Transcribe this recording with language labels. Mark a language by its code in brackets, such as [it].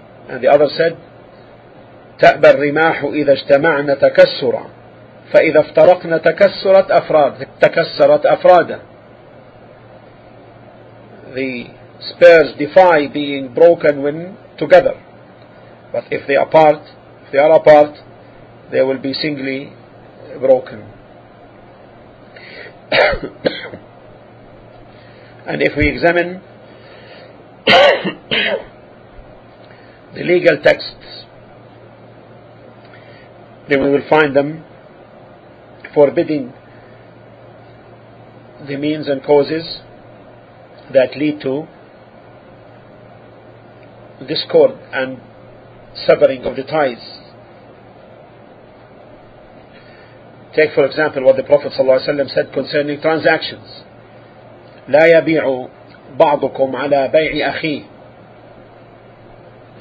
[en] And the other said, [ar] تأبى الرماح إذا اجتمعن تكسرا فإذا افترقن تكسرت أفراد تكسرت أفرادا. [en] The spurs defy being broken when together, but if they are apart, if they are apart, they will be singly broken. And if we examine the legal texts, then we will find them forbidding the means and causes that lead to discord and severing of the ties. Take for example what the Prophet ﷺ said concerning transactions. [ar] لا يبيع بعضكم على بيع أخيه.